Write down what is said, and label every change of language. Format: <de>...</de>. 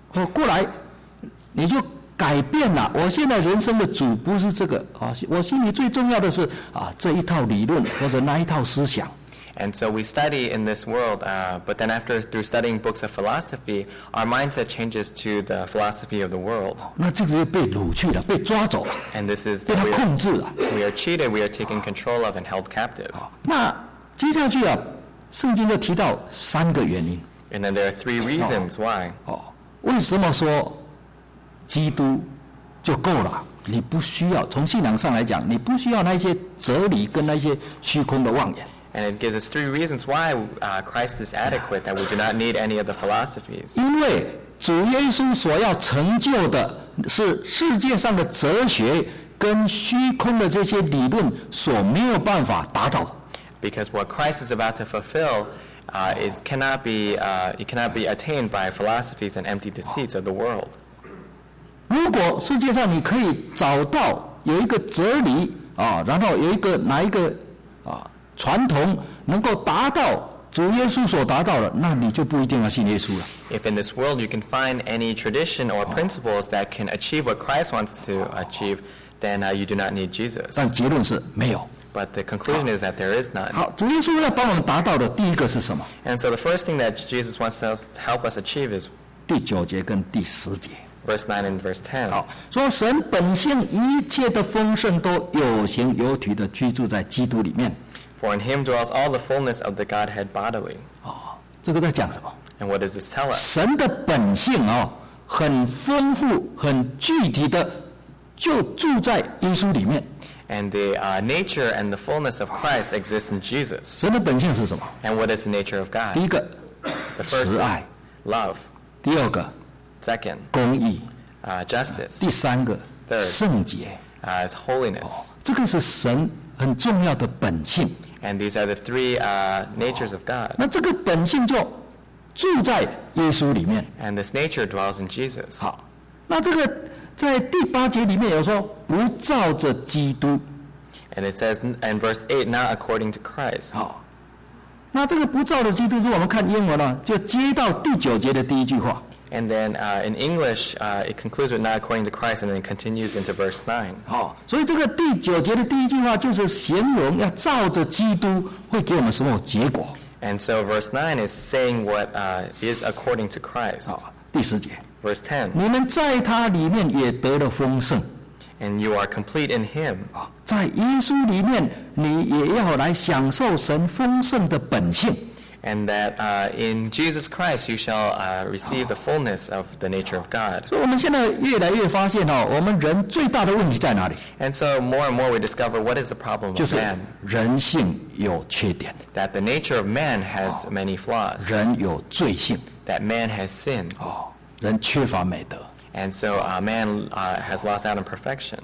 <zh>那你读了一些哲学的书，得学读了一些世界上的一些哲理，过来，你就。改变了，我现在人生的主不是这个，我心里最重要的是这一套理论或者那一套思想。</zh> <en>And so we study in this world, but then after through studying books of philosophy, our mindset changes to the philosophy of the world.</en> <zh>那这个就被掳去了，被抓走了。</zh> <en>And this is</en> <zh>被他控制了。</zh> <en>We are cheated, we are taken control of and held captive.</en> <zh>那接下去啊，圣经就提到三个原因。</zh> <en>And then there are three reasons why.</en> <zh>为什么说？基督就够了，你不需要从信仰上来讲，你不需要那些哲理跟那些虚空的妄言。</zh> <en>And it gives us three reasons why Christ is adequate, that we do not need any of the philosophies.</en> <zh>因为主耶稣所要成就的是世界上的哲学跟虚空的这些理论所没有办法达到的。</zh> <en>Because what Christ is about to fulfill it cannot be attained by philosophies and empty deceits of the world.</en> <zh>如果世界上你可以找到有一个哲理啊，然后有一个哪一个啊传统能够达到主耶稣所达到的，那你就不一定要信耶稣了。</zh> <en>If in this world you can find any tradition or principles that can achieve what Christ wants to achieve, then you do not need Jesus.</en> <zh>但结论是没有。</zh> <en>But the conclusion is that there is none.</en> <zh>好，主耶稣要帮我们达到的第一个是什么</zh> <en>？And so the first thing that Jesus wants us to help us achieve is</en> <zh>第九节跟第十节。</zh> <en>Verse 9 and verse 10.</en> <zh>好，说神本性一切的丰盛都有形有体的居住在基督里面。</zh> <en>For in him dwells all the fullness of the Godhead bodily.</en> <zh>哦，这个在讲什么</zh> <en>？And what does this tell us?</en> <zh>神的本性哦，很丰富、很具体的，就住在耶稣里面。</zh> <en>And the nature and the fullness of Christ exists in Jesus.</en> <zh>神的本性是什么</zh> <en>？And what is the nature of God?</en> <zh>第一个，</zh> <en>the first</en> <zh>慈爱</zh> <en>，love。</en> <zh>第二个</zh> <en>，second，</en> <zh>公义</zh> <en>，justice。</en> <zh>第三个</zh> <en>，third，</en> <zh>圣洁</zh> <en>，is holiness、哦。</en> <zh>这个是神很重要的本性。</zh> <en>And these are the three natures of God.</en> <zh>那这个本性就住在耶稣里面。</zh> <en>And this nature dwells in Jesus.</en> <zh>好，那这个在第八节里面有说不照着基督。</zh> <en>And it says in verse 8, not according to Christ.</en> <zh>好，那这个不照着基督，如果我们看英文呢，就接到第九节的第一句话。</zh> <en>And then in English, it concludes with not according to Christ, and then continues into verse 9.</en> <zh>好，所以这个第九节的第一句话就是形容要照着基督会给我们什么结果。</zh> <en>And so verse 9 is saying what is according to Christ.</en> <zh>好，第十节。</zh> <en>Verse 10.</en> <zh>你们在他里面也得了丰盛。</zh> <en>And you are complete in him.</en> <zh>在耶稣里面你也要来享受神丰盛的本性。</zh> <en>And that in Jesus Christ you shall receive the fullness of the nature of God. So</en> <zh>我们现在越来越发现哦，我们人最大的问题在哪里</zh> <en>？And so more and more we discover what is the problem of man.</en> <zh>就是人性有缺点。</zh> <en>That the nature of man has many flaws.</en> <zh>人有罪性。</zh> <en>That man has sin.</en> <zh>哦，人缺乏美德。</zh> <en>And so man has lost out on perfection.</en>